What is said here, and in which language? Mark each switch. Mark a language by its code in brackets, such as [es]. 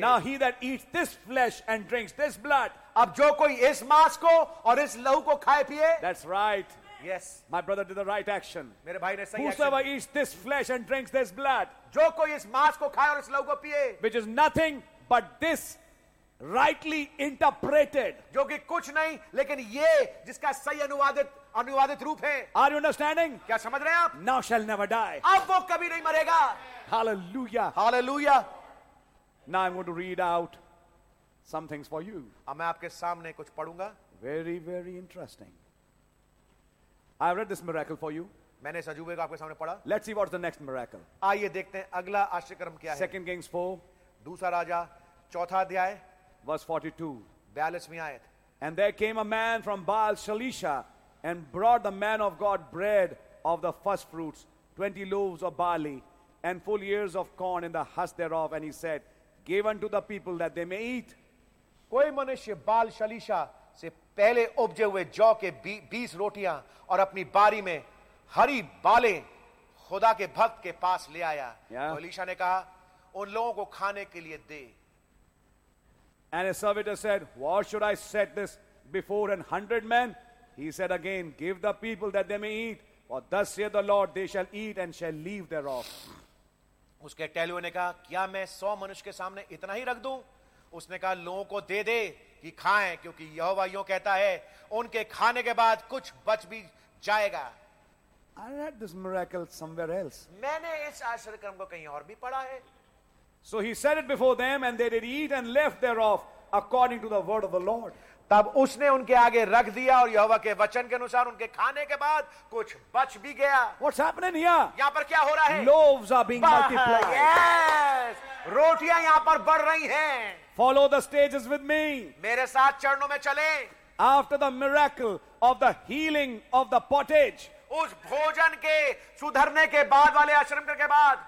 [en] Now he that eats this flesh and drinks this blood. [hi] अब जो कोई इस मांस को और इस लहू को खाए पिए. [en] That's right. Yes, my brother did the right action. [hi] मेरे भाई ने सही [en] action. Whosoever eats this flesh and drinks this blood, [hi] जो कोई इस मांस को खाए और इस लहू को पिए, [en] which is nothing but this rightly interpreted, [hi] जो कि कुछ नहीं लेकिन ये जिसका सही अनुवादित रूप है. [en] Are you understanding? [hi] क्या समझ रहे हैं आप? [en] Now shall never die. [hi] अब वो कभी नहीं मरेगा. Hallelujah. Hallelujah. [en] Now I'm going to read out some things for you. [hi] अब मैं आपके सामने कुछ पढ़ूंगा. [en] Very, very interesting. I have read this miracle for you. [hi] मैंने अजूबे को आपके सामने पढ़ा. [en] Let's see what's the next miracle. [hi] आइए देखते हैं अगला आश्चर्यकर्म क्या है. [en] Second Kings 4. [hi] दूसरा राजा चौथा अध्याय [en] verse 42. [hi] 42वीं आयत. [en] And there came a man from Baal Shalisha and brought the man of God bread of the first fruits, 20 loaves of barley and full ears of corn in the husk thereof, and he said, Give unto the people that they may eat. [hi] कोई मनुष्य बाल Shalisha से पहले उपजे हुए जौ के 20 रोटियां और अपनी बारी में हरी बाले खुदा के भक्त के पास ले आया. शलीशा ने कहा उन लोगों को खाने के लिए दे. [en] And a servitor said, What should I set this before 100 men? He said again, Give the people that they may eat. For thus saith the Lord, they shall eat and shall leave thereof. [hi] उसके टेलियों ने कहा, क्या मैं 100 मनुष्य के सामने इतना ही रख दूं? उसने कहा, लोगों को दे दे कि खाएं, क्योंकि यहोवा यूं कहता है, उनके खाने के बाद कुछ बच भी जाएगा. [en] I read this miracle somewhere else. [hi] मैंने इस आश्चर्यकर्म को कहीं और भी पढ़ा है. [en] So he set it before them, and they did eat and left thereof according to the word of the Lord. [hi] तब उसने उनके आगे रख दिया और यहोवा के वचन के अनुसार उनके खाने के बाद कुछ बच भी गया. [en] What's happening here? [hi] यहाँ पर क्या हो रहा है? [en] Loaves are being multiplied. Yes, [hi] रोटियाँ यहाँ पर बढ़ रही हैं. [en] Follow the stages with me. [hi] मेरे साथ चरणों में चलें. [en] After the miracle of the healing of the pottage. [hi] उस भोजन के सुधरने के बाद वाले आश्रम के बाद